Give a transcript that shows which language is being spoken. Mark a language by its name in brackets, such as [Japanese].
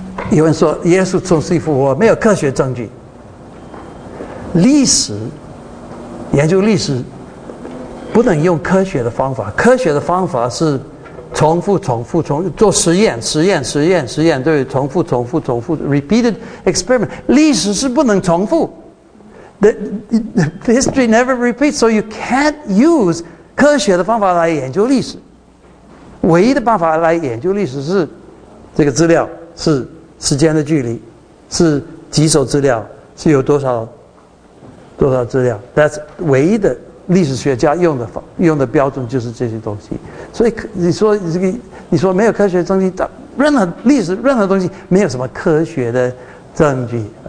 [Chinese] 有人说耶稣从死里复活没有科学证据，历史研究历史不能用科学的方法，科学的方法是重复做实验，对，重复 [English] repeated experiment. [Chinese] 历史是不能重复。 [English] The history never repeats, so you can't use [Chinese] 科学的方法来研究历史。唯一的办法来研究历史是这个资料，是时间的距离，是几手资料，是有多少资料。 [English] That's [Chinese] 唯一的历史学家用的标准就是这些东西。所以你说这个，你说没有科学证据，任何历史任何东西没有什么科学的证据。